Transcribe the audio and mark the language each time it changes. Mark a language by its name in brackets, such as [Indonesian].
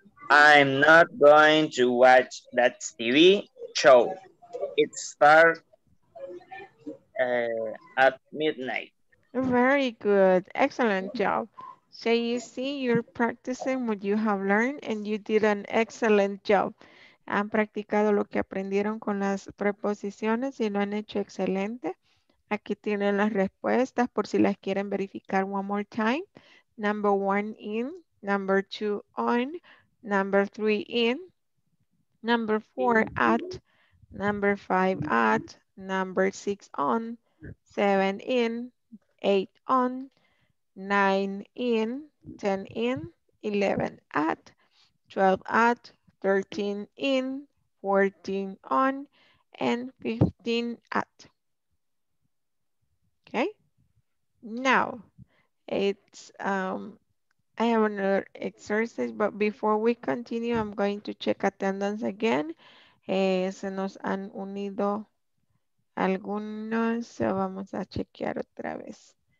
[English] I'm not going to watch that TV show. It starts at midnight. Very good. Excellent job. So you see, you're practicing what you have learned and you did an excellent job. [Spanish] Han practicado lo que aprendieron con las preposiciones y lo han hecho excelente. Aquí tienen las respuestas por si las quieren verificar [English] one more time. Number 1, in. Number 2, on. Number 3, in. Number 4, at. Number 5, at. Number 6, on. 7, in. 8 on, 9 in, 10 in, 11 at, 12 at, 13 in, 14 on, and 15 at. Okay, now it's, I have another exercise, but before we continue, I'm going to check attendance again. [Spanish] Se nos han unido algunos, so vamos a chequear otra vez.